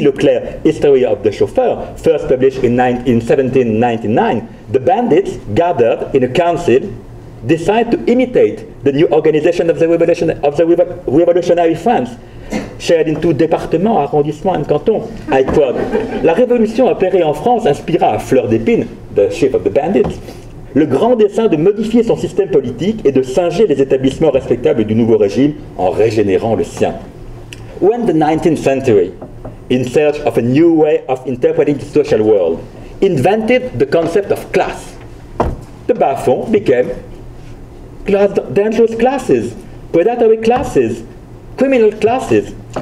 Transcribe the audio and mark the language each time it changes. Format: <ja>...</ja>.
<en>Leclerc, History of the Chauffeur, first published in 1799. The bandits gathered in a council decide to imitate the new organization of the revolution of the revolutionary France, shared into départements, arrondissements, and cantons. I quote,</en> <fr>"La révolution opérée en France inspira à Fleur d'Épine,</fr> <en>the chief of the bandits,</en> <fr>le grand dessein de modifier son système politique et de singer les établissements respectables du nouveau régime en régénérant le sien."</fr> <en>When the 19th century, in search of a new way of interpreting the social world, invented the concept of class, the Bas-Fonds became class, dangerous classes, predatory classes, criminal classes.</en>